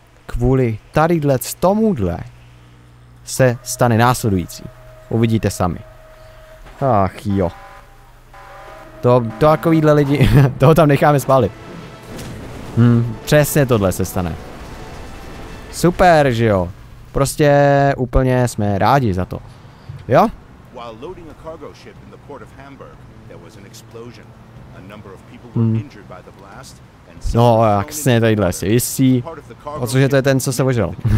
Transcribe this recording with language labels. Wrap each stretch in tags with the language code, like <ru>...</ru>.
<cs>Kvůli tadyhle tomuhle se stane následující. Uvidíte sami. Ach jo. To takovýhle lidi, toho tam necháme spálit. Přesně tohle se stane. Super, že jo. Prostě úplně jsme rádi za to. Jo?</cs> <en>While loading a cargo ship in the port of Hamburg, there was an explosion. A number of people were injured by the blast.</en> <cs>No, jasně, tadyhle si jistý, protože to je ten, co se ožral.</cs>